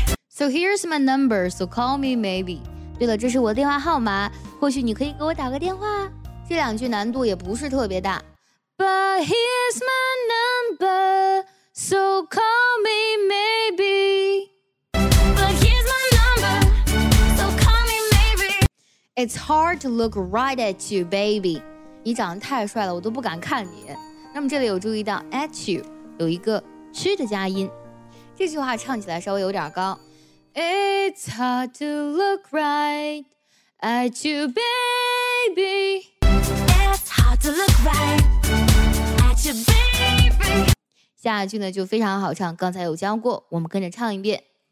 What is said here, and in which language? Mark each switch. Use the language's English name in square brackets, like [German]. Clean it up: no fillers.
[English] So here's my number, so call me maybe. [Chinese] 对了，这是我的电话号码，或许你可以给我打个电话。这两句难度也不是特别大。 [English] But here's my number, so call me maybe. But here's my number, so call me maybe. It's hard to look right at you, baby. [Chinese] 你长得太帅了，我都不敢看你。那么这里有注意到 at you 有一个吃的加音。这句话唱起来稍微有点高。 [English] It's hard to look right at you, baby. It's hard to look right at you, baby. [Chinese] 下一句呢就非常好唱，刚才有教过，我们跟着唱一遍。